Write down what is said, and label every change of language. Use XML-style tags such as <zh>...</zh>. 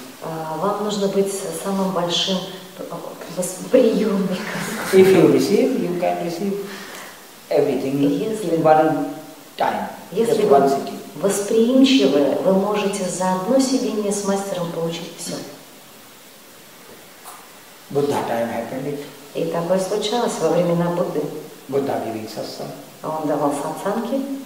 <ru>Вам нужно быть самым большим приемником.</ru> <en>If you receive, you can receive everything in one time.</en> <ru>Если</ru> <en>just one sitting.</en> <ru>Восприимчивы, вы можете за одно сидение с мастером получить все.</ru> <en>Buddha time happened it.</en> <ru>И такое случалось во времена Будды.</ru> <en>Buddha giving satsang.</en> <ru>Он давал сатсанги.</ru>